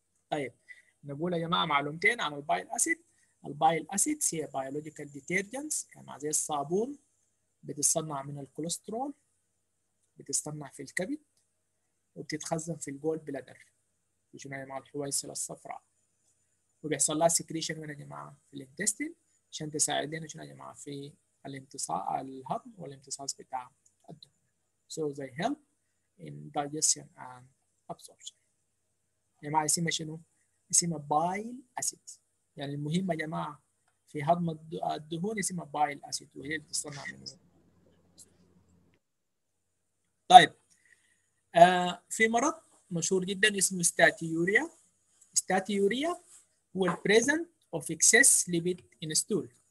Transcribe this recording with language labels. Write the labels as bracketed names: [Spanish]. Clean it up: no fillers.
[Arabic] طيب نقول يا جماعه معلومتين عن البايل اسيد. البايل اسيد هي بايولوجيكال ديتيرجنتس يعني زي الصابون، بتصنع من الكوليسترول، بتصنع في الكبد، وبتتخزن في الجول بلادر عشان يا جماعه الحويصله الصفراء، وبيحصل لها سكريشن من يا جماعه في الانتستين عشان تساعد لنا شنو يا جماعه في الامتصاص الهضم والامتصاص بتاع الدم. [English] So they help in digestion and absorption. [Arabic] يا جماعه اسمها شنو؟ اسمها بايل اسيد. يعني المهمه يا جماعه في هضم الدهون اسمها بايل اسيد، وهي اللي بتصنع من. طيب في مرض مشهور جدا اسمه ستاتيوريا. [English] Steatorrhea هو البريزنت of excess lipid in stool.